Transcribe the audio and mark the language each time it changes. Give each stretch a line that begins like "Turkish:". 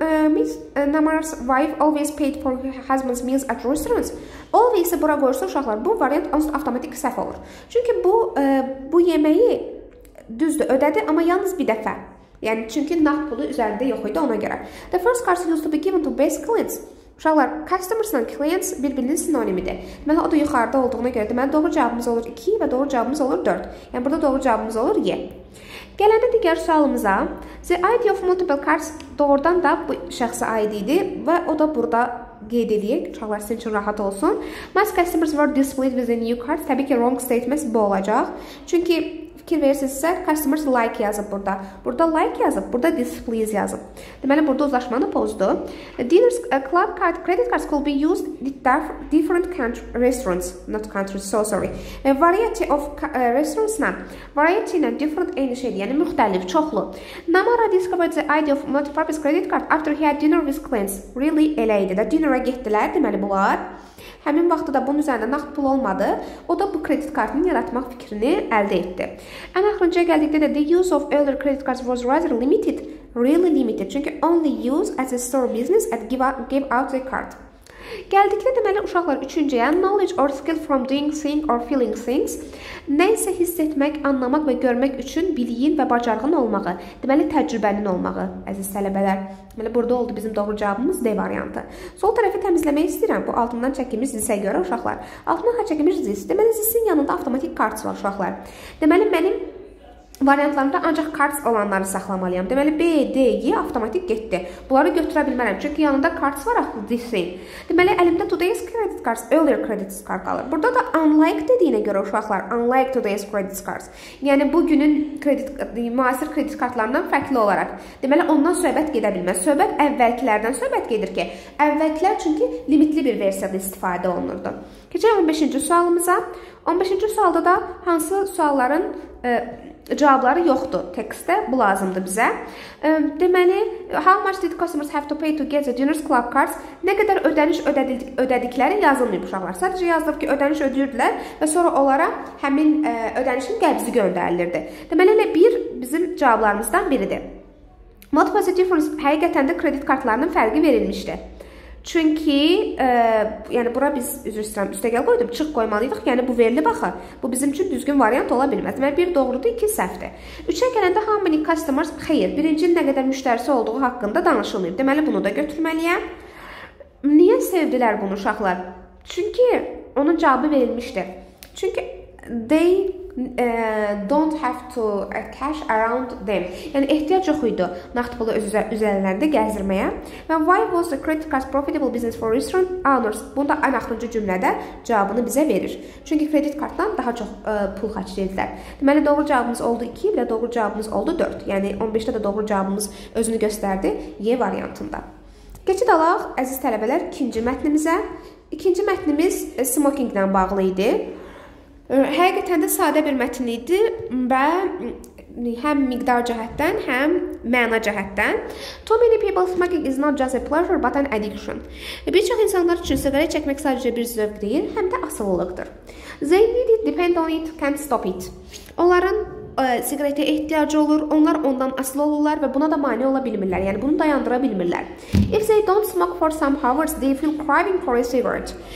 English: Miss Namar's wife always paid for her husband's meals at restaurants.
Azerbaijani: Always bura qoyursa uşaqlar, bu variant avtomatik səhv olur. Çünki bu yeməyi düzdür, ödədi, amma yalnız bir dəfə. Yəni, çünki nağd pulu üzərində yox idi ona görə.
English: The first card used to be given to best clients.
Azerbaijani: Uşaqlar,
English: customers and clients
Azerbaijani: bir-birinin sinonimidir. Deməli, o da yuxarıda olduğuna görə, deməli, doğru cavabımız olur 2 və doğru cavabımız olur 4. Yəni, burada doğru cavabımız olur 7. Gələndə digər sualımıza,
English: the idea of multiple cards
Azerbaijani: doğrudan da bu şəxsə aid idi və o da burada qeyd edəyik. Uşaqlar, sizin üçün rahat olsun.
English: Most customers were displeased with the new cards.
Azerbaijani: Təbii ki,
English: wrong statements
Azerbaijani: bu olacaq. Çünki fikir verirsinizsə,
English: customers like
Azerbaijani: yazıb burada. Burada like yazıb, burada displeased yazıb. Deməli, burada uzlaşmanı pozdu.
English: Dinners club card, credit cards could be used in different country, restaurants, not countries, so sorry. A variety of restaurants, variety and different any
Azerbaijani: şey, yəni müxtəlif, çoxlu.
English: Namara discovered the idea of multi-purpose credit card after he had dinner with clients. Really,
Azerbaijani: elə idi. Dinnerə getdilər, deməli, bunlar. Həmin vaxtda da bunun üzərində nağd pul olmadı. O da bu kredit kartını yaratmaq fikrini əldə etdi. Ən axırıncaya gəldikdə də
English: the use of older credit cards was rather limited. Really limited.
Azerbaijani: Çünki
English: only used as a store business and gave out the card.
Azerbaijani: Gəldikdə deməli uşaqlar üçüncüyə
English: knowledge or skill from doing things or feeling things.
Azerbaijani: Nə isə hiss etmək, anlamaq və görmək üçün biliyin və bacarığın olmağı. Deməli təcrübənin olmağı, əziz tələbələr. Deməli burada oldu bizim doğru cavabımız D variantı. Sol tərəfi təmizləmək istəyirəm. Bu altından çəkimiz zisə görə uşaqlar. Altından çəkimiz zis. Deməli zisin yanında avtomatik kart var uşaqlar. Deməli mənim Variantlarında ancaq kart olanları saxlamalıyam. Deməli, B, D, Y avtomatik getdi. Bunları götürə bilmərəm. Çünki yanında kart var, axı, different. Deməli, əlimdə
English: today's credit cards, earlier credit card
Azerbaijani: qalır. Burada da unlike dediyinə görə uşaqlar,
English: unlike today's credit cards.
Azerbaijani: Yəni, bugünün kredit, müasir kredit kartlarından fərqli olaraq. Deməli, ondan söhbət gedə bilməz. Söhbət əvvəlkilərdən söhbət gedir ki, əvvəlkilər çünki limitli bir versiyada istifadə olunurdu. Keçək 15-ci sualımıza. 15-ci sualda da hansı sualların... Cavabları yoxdur tekstdə, bu lazımdır bizə. Deməli,
English: how much did customers have to pay to get the dinner's club cards?
Azerbaijani: Nə qədər ödəniş ödədikləri yazılmayıb uşaqlar. Sadəcə yazılıb ki, ödəniş ödəyirdilər və sonra onlara həmin ödənişin qəbzi göndərilirdi. Deməli, elə bir bizim cavablarımızdan biridir.
English: What was the difference?
Azerbaijani: Həqiqətən də kredit kartlarının fərqi verilmişdi. Çünki, yəni bura biz üzr istəyirəm, üstə gəl qoydum, çıx qoymalıydıq. Yəni bu verilib axı. Bu bizim üçün düzgün variant ola bilməz. Deməli bir doğrudur, iki səhvdir. Üçə gələndə
English: how many customers?
Azerbaijani: Xeyr, birinci nə qədər müştərisi olduğu haqqında danışılmayıb. Deməli bunu da götürməliyəm. Niyə sevdilər bunu uşaqlar? Çünki onun cavabı verilmişdir. Çünki
English: they don't have to cash around them.
Azerbaijani: Yəni ehtiyac yox idi nağd pulu öz üzərlərində gəzdirməyə.
English: And why was the credit card profitable business for restaurant owners?
Azerbaijani: Bunda ən axırıncı cümlədə cavabını bizə verir. Çünki kredit kartdan daha çox pul xərclədilər. Deməli doğru cavabımız oldu 2 və doğru cavabımız oldu 4. Yəni 15-də də doğru cavabımız özünü göstərdi Y variantında. Keçid alaq əziz tələbələr ikinci mətnimizə. İkinci mətnimiz smoking ilə bağlı idi. Həqiqətən də sadə bir mətn idi və həm miqdar cəhətdən, həm məna cəhətdən.
English: Too many people smoking is not just a pleasure, but an addiction.
Azerbaijani: Bir çox insanlar üçün siqaret çəkmək sadəcə bir zövq deyil, həm də asılılıqdır.
English: They need it, depend on it, can't stop it.
Azerbaijani: Onların siqaretə ehtiyacı olur, onlar ondan asılı olurlar və buna da mani ola bilmirlər, yəni bunu dayandıra bilmirlər.
English: If they don't smoke for some hours, they feel craving for a cigarette.